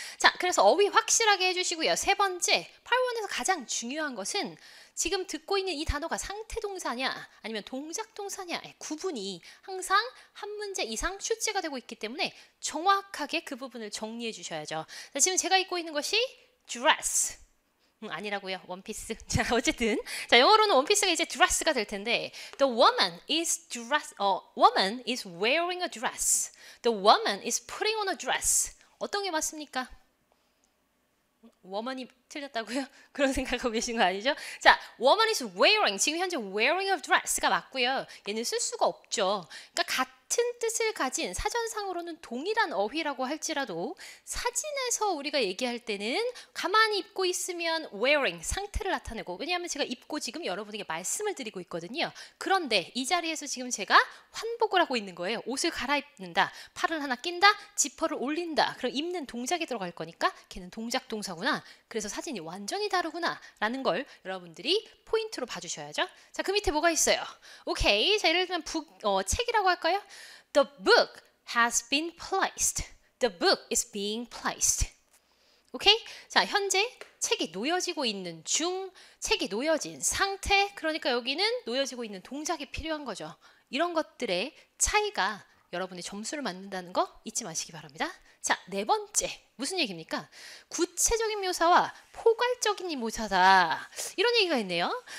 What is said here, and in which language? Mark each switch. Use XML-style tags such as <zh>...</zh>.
<ko>자, 그래서 어휘 확실하게 해주시고요. 세 번째, 8.1에서 가장 중요한 것은 지금 듣고 있는 이 단어가 상태동사냐 아니면 동작동사냐의 구분이 항상 한 문제 이상 출제가 되고 있기 때문에 정확하게 그 부분을 정리해 주셔야죠. 자, 지금 제가 입고 있는 것이 dress. 아니라고요. 원피스. 자, 어쨌든. 자, 영어로는 원피스가 이제 dress가 될 텐데.</ko> <en>The woman is dress. Woman is wearing a dress. The woman is putting on a dress.</en> <ko>어떤 게 맞습니까? woman이 틀렸다고요? 그런 생각하고 계신 거 아니죠? 자,</ko> <en>woman is wearing.</en> <ko>지금 현재</ko> <en>wearing a dress</en> <ko>가 맞고요. 얘는 쓸 수가 없죠. 그러니까 같은 뜻을 가진 사전상으로는 동일한 어휘라고 할지라도 사진에서 우리가 얘기할 때는 가만히 입고 있으면 wearing, 상태를 나타내고 왜냐하면 제가 입고 지금 여러분에게 말씀을 드리고 있거든요. 그런데 이 자리에서 지금 제가 환복을 하고 있는 거예요. 옷을 갈아입는다, 팔을 하나 낀다, 지퍼를 올린다. 그럼 입는 동작이 들어갈 거니까 걔는 동작 동사구나. 그래서 사진이 완전히 다르구나 라는 걸 여러분들이 포인트로 봐주셔야죠. 자, 그 밑에 뭐가 있어요? 오케이, 자, 예를 들면 책이라고 할까요?</ko> <en>The book has been placed. The book is being placed.</en> <ko>오케이? 자, 현재 책이 놓여지고 있는 중, 책이 놓여진 상태, 그러니까 여기는 놓여지고 있는 동작이 필요한 거죠. 이런 것들의 차이가 여러분의 점수를 맞는다는 거 잊지 마시기 바랍니다. 자, 네 번째, 무슨 얘기입니까? 구체적인 묘사와 포괄적인 묘사다. 이런 얘기가 있네요.</ko>